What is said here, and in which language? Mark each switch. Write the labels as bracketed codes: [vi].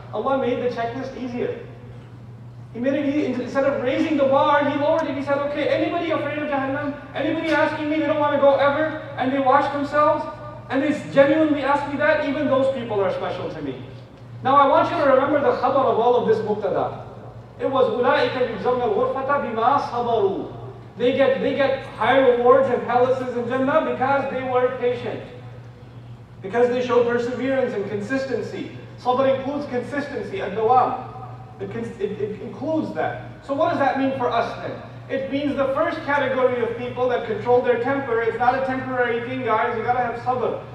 [en] Allah made the checklist easier. He made it easy. Instead of raising the bar, he lowered it. He said, okay, anybody afraid of Jahannam? Anybody asking me they don't want to go ever? And they wash themselves? And they genuinely ask me that? Even those people are special to me. Now I want you to remember the khabar of all of this muqtada. It was, [ar] أُولَٰئِكَ يُجْزَوْنَ الْغُرْفَةَ بِمَا صَبَرُوا. [en] They get high rewards and palaces in Jannah because they were patient. Because they showed perseverance and consistency. Sabr includes consistency and dawam. It includes that. So what does that mean for us then? It means the first category of people that control their temper is not a temporary thing, guys. You gotta have sabr.